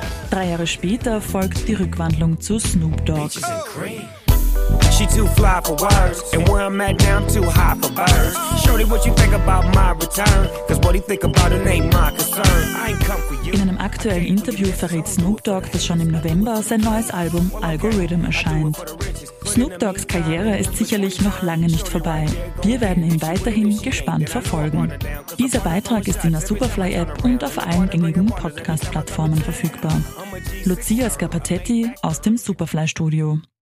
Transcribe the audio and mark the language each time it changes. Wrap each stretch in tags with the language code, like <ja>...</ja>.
<de>Drei Jahre später folgt die Rückwandlung zu Snoop Dogg.</de> <en>She too fly for words, and where I'm at now, I'm too high for birds. Shorty, what you think about my return? Cause what he think about it ain't my concern. I ain't come for you.</en> <de>In einem aktuellen Interview verrät Snoop Dogg, dass schon im November sein neues Album Algorithm erscheint. Snoop Doggs Karriere ist sicherlich noch lange nicht vorbei. Wir werden ihn weiterhin gespannt verfolgen. Dieser Beitrag ist in der Superfly-App und auf allen gängigen Podcast-Plattformen verfügbar. Lucia Scarpatetti aus dem Superfly-Studio.</de>